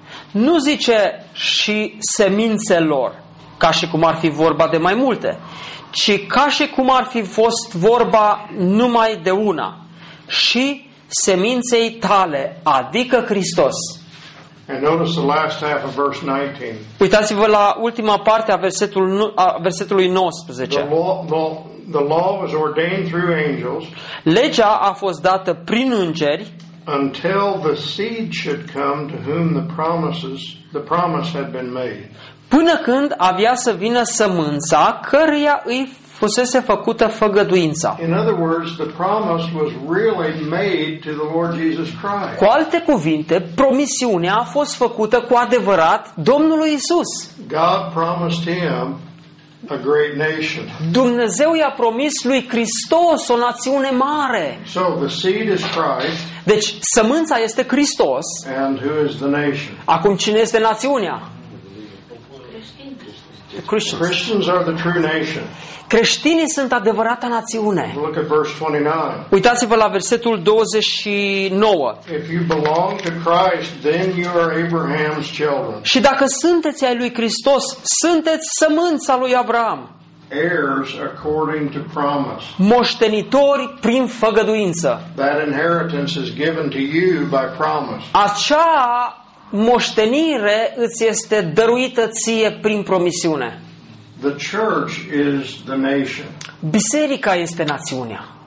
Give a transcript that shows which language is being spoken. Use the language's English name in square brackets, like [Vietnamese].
[Romanian] Nu zice și semințelor, ca și cum ar fi vorba de mai multe, ci ca și cum ar fi fost vorba numai de una, și seminței tale, adică Hristos. [English] And notice the last half of verse 19. [Romanian] Uitați-vă la ultima parte a versetului 19. [English] The law was ordained through angels. [Romanian] Legea a fost dată prin îngeri. [English] Until the seed should come to whom the promise had been made. [Romanian] Până când avea să vină sămânța căreia îi fusese făcută făgăduința. [English] In other words, the promise was really made to the Lord Jesus Christ. [Romanian] Cu alte cuvinte, promisiunea a fost făcută cu adevărat Domnului Isus. [English] God promised him a great nation. [Romanian] Dumnezeu i-a promis lui Hristos o națiune mare. [English] So the seed is Christ. [Romanian] Deci sămânța este Hristos. [English] And who is the nation? [Romanian] Acum cine este națiunea? [English] Christians. Christians are the true nation. [Romanian] Creștinii sunt adevărata națiune. [English] Look at verse 29. [Romanian] Uitați-vă la versetul 29. [English] If you belong to Christ, then you are Abraham's children. [Romanian] Și dacă sunteți ai lui Hristos, sunteți sămânța lui Avraam. [English] Heirs according to promise. [Romanian] Moștenitori prin făgăduință. [English] That inheritance is given to you by promise. [Romanian] Acea moștenire îți este dăruită ție prin promisiune. [English] The church is the nation. [Romanian] Biserica este națiunea.